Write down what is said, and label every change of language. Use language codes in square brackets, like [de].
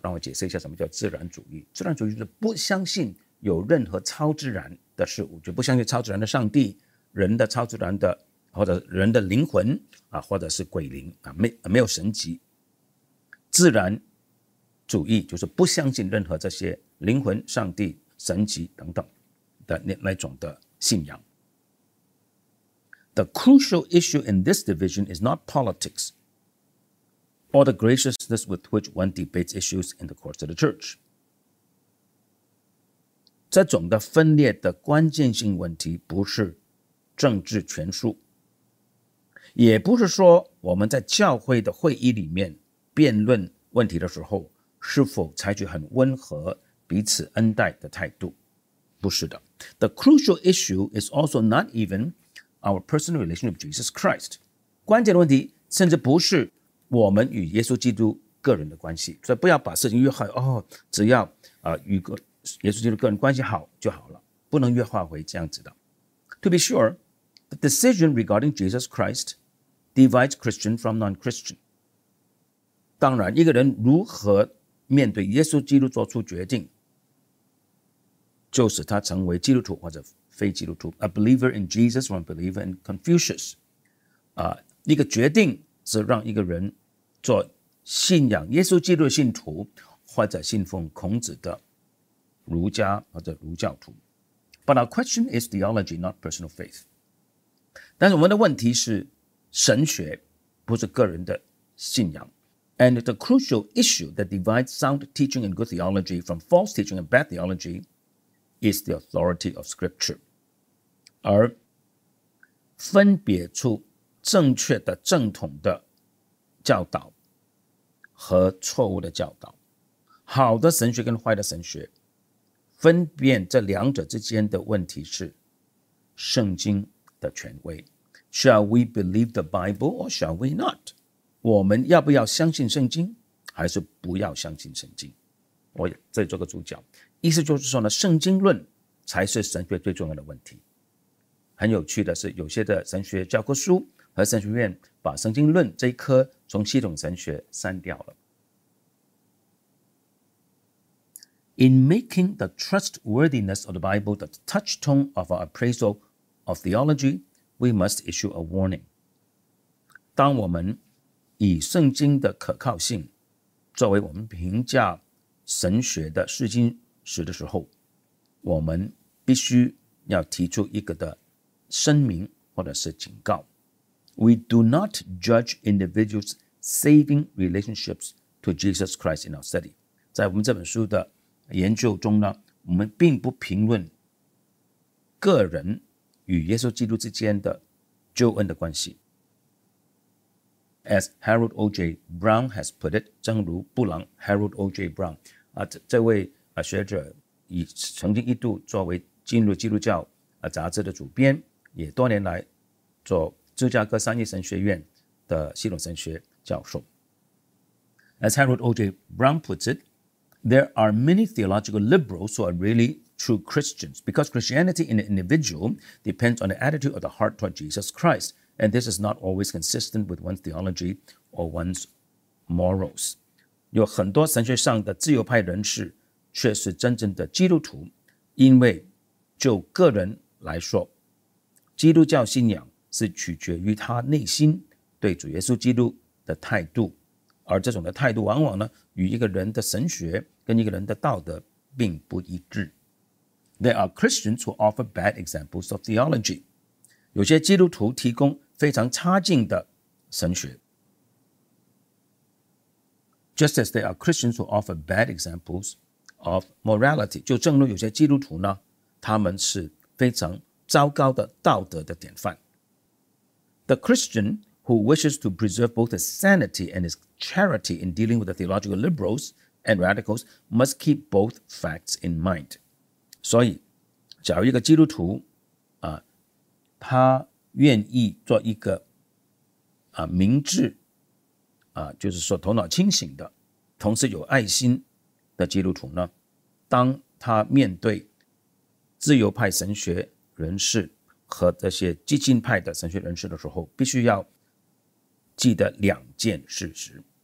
[zh] 让我解释一下什么叫自然主义。自然主义就是不相信有任何超自然的事物，就不相信超自然的上帝、人的超自然的或者人的灵魂啊，或者是鬼灵啊，没有神级。自然主义就是不相信任何这些灵魂、上帝、神级等等的那种的信仰。 [en] The crucial issue in this division is not politics or the graciousness with which one debates issues in the courts of the church. [zh] 这种的分裂的关键性问题不是政治权术，也不是说我们在教会的会议里面辩论问题的时候，是否采取很温和彼此恩待的态度？不是的。 [en] The crucial issue is also not even our personal relationship with Jesus Christ. [zh] 关键的问题甚至不是我们与耶稣基督个人的关系。所以不要把事情约好，哦，只要与耶稣基督个人关系好就好了，不能约化为这样子的。 [en] To be sure, the decision regarding Jesus Christ divides Christian from non-Christian. [zh] 当然，一个人如何面对耶稣基督做出决定，就使他成为基督徒或者非基督徒。 [en] A believer in Jesus or a believer in Confucius. [zh] 一个决定是让一个人做信仰耶稣基督的信徒，或者信奉孔子的儒家或者儒教徒。 [en] But our question is theology, not personal faith. [zh] 但是我们的问题是神学，不是个人的信仰。 [en] And the crucial issue that divides sound teaching and good theology from false teaching and bad theology is the authority of Scripture. [zh] 而分别出正确的正统的教导和错误的教导，好的神学跟坏的神学，分辨这两者之间的问题是圣经的权威。 [en] Shall we believe the Bible or shall we not? [zh] 我们要不要相信圣经还是不要相信圣经？我这里做个主角，意思就是说呢，圣经论才是神学最重要的问题。很有趣的是，有些的神学教科书和神学院把圣经论这一科从系统神学删掉了。 [en] In making the trustworthiness of the Bible the touchstone of our appraisal of theology, we must issue a warning. [zh] 当我们以圣经的可靠性作为我们评价神学的试金石的时候，我们必须要提出一个的声明或者是警告。 [en] We do not judge individuals' saving relationships to Jesus Christ in our study. [zh] 在我们这本书的研究中呢，我们并不评论个人与耶稣基督之间的救恩的关系。 [en] As Harold O.J. Brown has put it, [zh] 正如布朗 [en] Harold O.J. [zh] Brown, 这位学者曾经一度作为进入基督教杂志的主编，也多年来做芝加哥商业神学院的系统神学教授。 [en] As Harold O.J. Brown puts it,There are many theological liberals who are really true Christians because Christianity in an individual depends on the attitude of the heart toward Jesus Christ, and this is not always consistent with one's theology or one's morals. [zh] 有很多神学上的自由派人士却是真正的基督徒，因为就个人来说，基督教信仰是取决于他内心对主耶稣基督的态度，而这种的态度往往呢与一个人的神学跟一个人的道德并不一致。 [en] There are Christians who offer bad examples of theology. [zh] 有些基督徒提供非常差劲的神学。 [en] Just as there are Christians who offer bad examples of morality. [zh] 就正如有些基督徒呢，他们是非常糟糕的道德的典范。 [en] The Christian who wishes to preserve both his sanity and his charity in dealing with the theological liberals and radicals must keep both facts in mind. [zh] 所以假如一个基督徒他愿意做一个明智就是说头脑清醒的同时有爱心的基督徒呢，当他面对自由派神学人士和这些激进派的神学人士的时候，必须要记得两件事实。